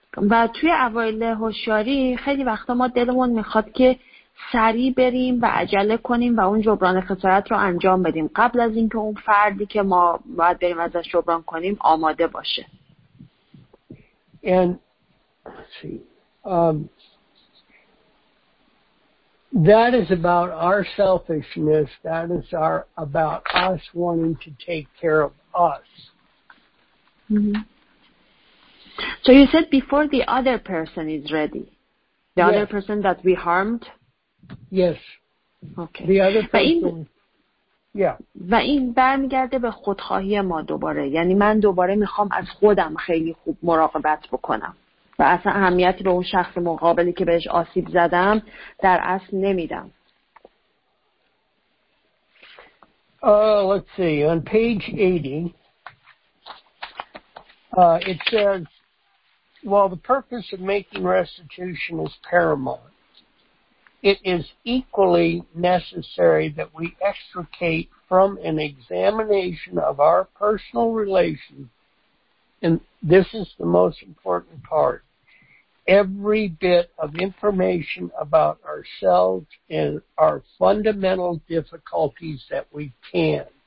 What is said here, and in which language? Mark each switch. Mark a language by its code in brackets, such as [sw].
[fa] و توی اوایل هوشیاری خیلی وقتا ما دلمون میخواد که سریع بریم و عجله کنیم و اون جبران خسارت رو انجام بدیم قبل از اینکه اون فردی که ما باید بریم ازش جبران کنیم آماده باشه. [en] And that is about our selfishness. That is our about us wanting to take care of us. Mm-hmm. So you said before the other person is ready, the other person that we harmed. Yes. Okay. The other person. [fa] و این برمیگرده به خودخواهی ما دوباره. یعنی من دوباره میخوام از خودم خیلی خوب مراقبت بکنم. و اصلا اهمیتی به اون شخص مقابلی که بهش آسیب زدم در اصل نمیدم. [en] Let's see. On page 80, it says, "While the purpose of making restitution is paramount, it is equally necessary that we extricate from an examination of our personal relations, and this is the most important part, every bit of information about ourselves and our fundamental difficulties that we can."